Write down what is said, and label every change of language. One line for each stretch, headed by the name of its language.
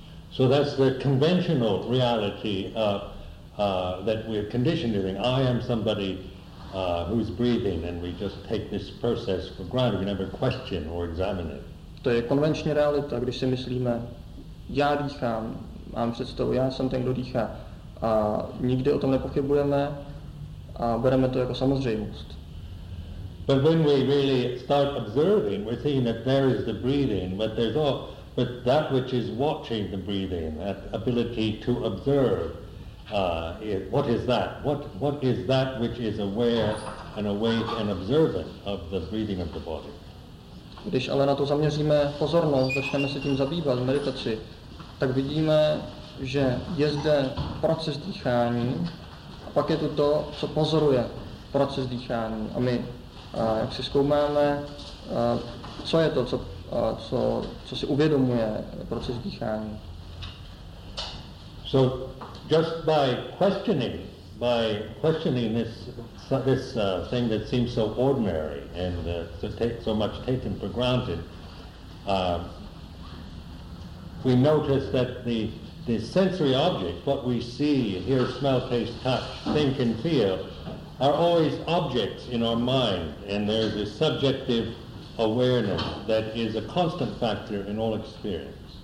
English: So that's the conventional reality that we're conditioned to think. I am somebody who's breathing, and we just take this process for granted. We never question or examine it.
Czech: To je konvenční realita, když si myslíme, já dýchám, mám představu, já jsem ten, kdo dýchá. A nikdy o tom nepochybujeme a bereme to jako samozřejmost.
English: But when we really start observing, we're seeing that there is the breathing, but there's all, but that which is watching the breathing, that ability to observe, what is that? What is that which is aware and awake and observant of the breathing of the body?
Czech: Když ale na to zaměříme pozornost, začneme se tím zabývat v meditaci, tak vidíme, že je zde proces dýchání, a pak je to to, co pozoruje proces dýchání, a my jak si zkoumáme, co je to, co si uvědomuje proces dýchání.
English: So just by questioning this thing that seems so ordinary and so much taken for granted, we notice that the sensory objects, what we see, hear, smell, taste, touch, think and feel, are always objects in our mind, and there's a subjective awareness that is a constant factor in all experience.